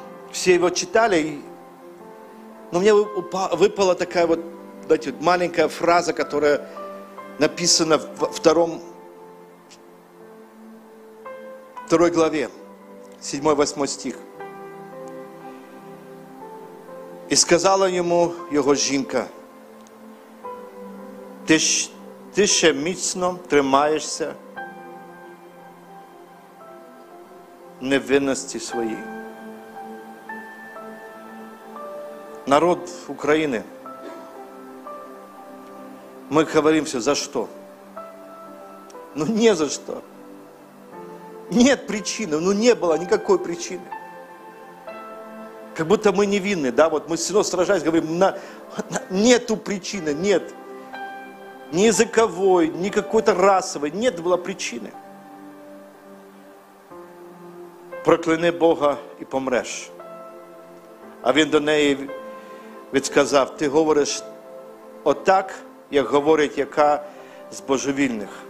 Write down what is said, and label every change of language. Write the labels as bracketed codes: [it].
[ru] Все его читали, но мне выпала такая вот, знаете, маленькая фраза, которая написана во второй главе, 7-8 стих. «И сказала ему его [uk] жінка, ты ще міцно тримаєшся невинності своєї». [ru] Народ України, мы говорим все, за что? Ну, не за что. Нет причины, ну, не было никакой причины. Как будто мы невинны, да, вот мы все равно сражаемся, говорим, нету причины, нет. Ни языковой, ни какой-то расовой, нет было причины. Прокляни Бога и помрешь. [uk] А він до неї відказав, ти говориш отак, як говорить яка з божевільних.